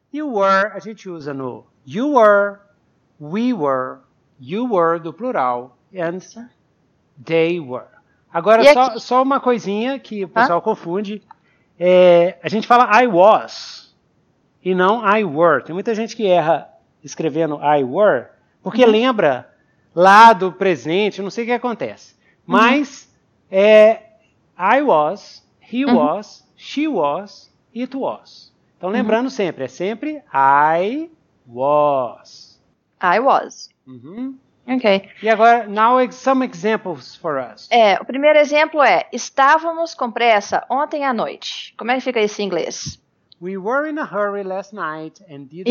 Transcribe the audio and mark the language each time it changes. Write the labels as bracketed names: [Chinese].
[English] You were, [Portuguese] a gente usa no [English] you were, we were, you were, [Portuguese] do plural, [English] and they were. [Portuguese] Agora, só uma coisinha que o pessoal confunde. A gente fala [English] I was [Portuguese] e não [English] I were. [Portuguese] Tem muita gente que erra escrevendo [English] I were [Portuguese] porque lembra lá do presente, não sei o que acontece. Mas [English] I was, he was, she was, it was. [Portuguese] Então lembrando sempre, é sempre [English] I was. I was. Ok. [Portuguese] E agora, [English] now some examples for us. [Portuguese] O primeiro exemplo é, estávamos com pressa ontem à noite. Como é que fica isso em inglês? [English] We were in a hurry last night and didn't